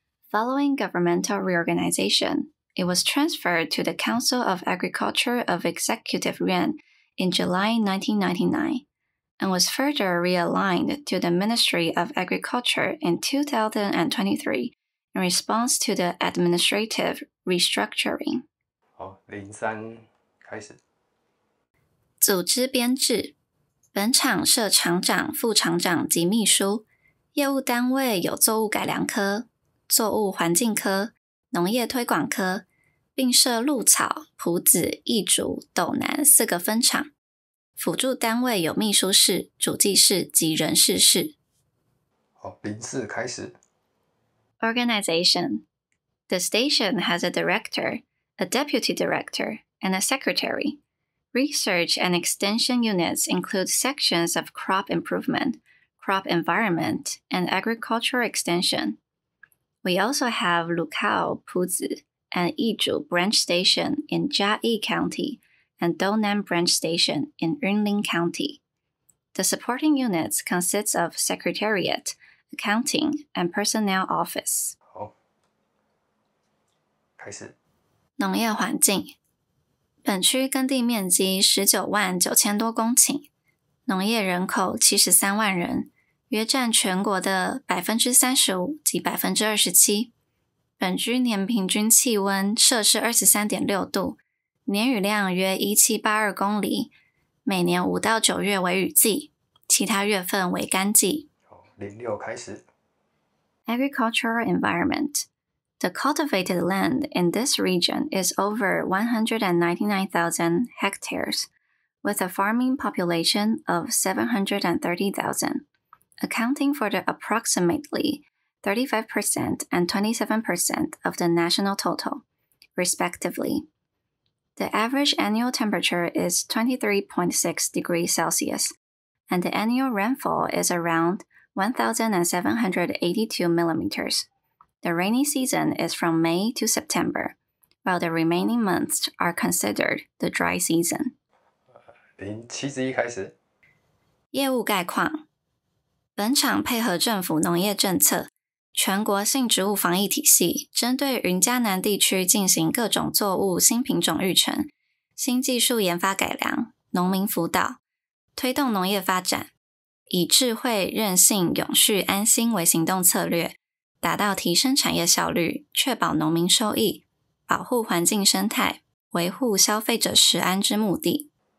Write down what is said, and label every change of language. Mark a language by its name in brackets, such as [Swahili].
[English] Following governmental reorganization, it was transferred to the Council of Agriculture of Executive Yuan in July 1999, and was further realigned to the Ministry of Agriculture in 2023 in response to the administrative restructuring. [Chinese] 好，零三开始。组织编制，本场设厂长、副厂长及秘书，业务单位有作物改良科、作物环境科、农业推广科，并设鹿草、埔子、义竹、斗南四个分厂。辅助单位有秘书室、主计室及人事室。好，零四开始。 [English] Organization. The station has a director, a deputy director, and a secretary. Research and extension units include sections of crop improvement, crop environment, and agricultural extension. We also have Lukao, Puzi, and Yizhu branch station in Jiayi County and Donan branch station in Yunling County. The supporting units consist of secretariat, accounting, and personnel office. [Chinese] 好，开始。农业环境，本区耕地面积199,000多公顷，农业人口73万人。约占全国的 35% 及 27%。本区年平均气温摄氏 23.6 度，年雨量约1782公里，每年5到9月为雨季，其他月份为干季。 06开始。 [English] Agricultural Environment. The cultivated land in this region is over 199,000 hectares, with a farming population of 730,000. Accounting for the approximately 35% and 27% of the national total, respectively. The average annual temperature is 23.6 degrees Celsius, and the annual rainfall is around 1,782 millimeters. The rainy season is from May to September, while the remaining months are considered the dry season. [Chinese] 071开始。业务概况。本场配合政府农业政策，全国性植物防疫体系针对云嘉南地区进行各种作物新品种育成、新技术研发改良、农民辅导，推动农业发展，以智慧、韧性、永续、安心为行动策略，达到提升产业效率、确保农民收益、保护环境生态、维护消费者食安之目的。